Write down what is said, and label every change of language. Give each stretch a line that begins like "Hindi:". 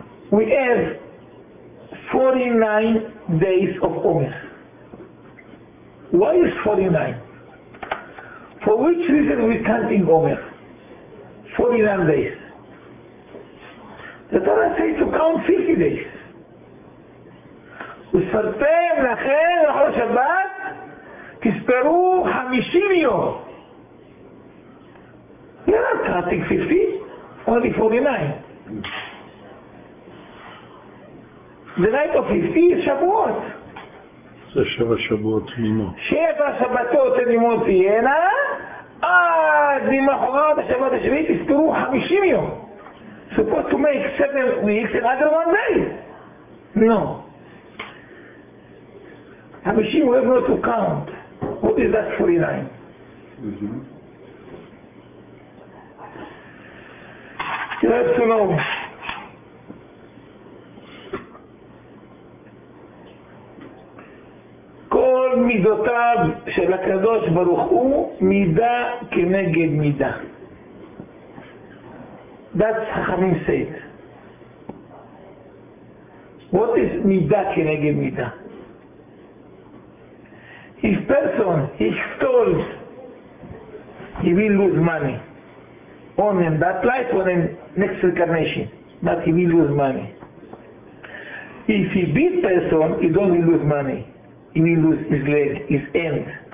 English: We have 49 days of Omer. Why is 49? For which reason we counting Omer? 49 days. The Torah says to count 50 days.
Hebrew: וספרתם לכם לכל שבת, תספרו 50 יום.
English: You're not counting 50, only 49. The night of 50 is שבועות.
Hebrew: זה שבע שבועות תמימות. שבע שבתות תמימות תהיינה, עד למחרת השבת השביעית תספרו 50 יום.
English: Supposed to make 7 weeks and other one day. No. 50, we have not to count. What is that 49? You have to know.
Hebrew: כל מידותיו של הקדוש ברוך הוא מידה כנגד מידה.
English: That's חכמים said. What is מידה כנגד מידה? If person is told, he will lose money. On in that life, on in next incarnation. But he will lose money. If he beat person, he don't lose money. He will lose his leg, his end.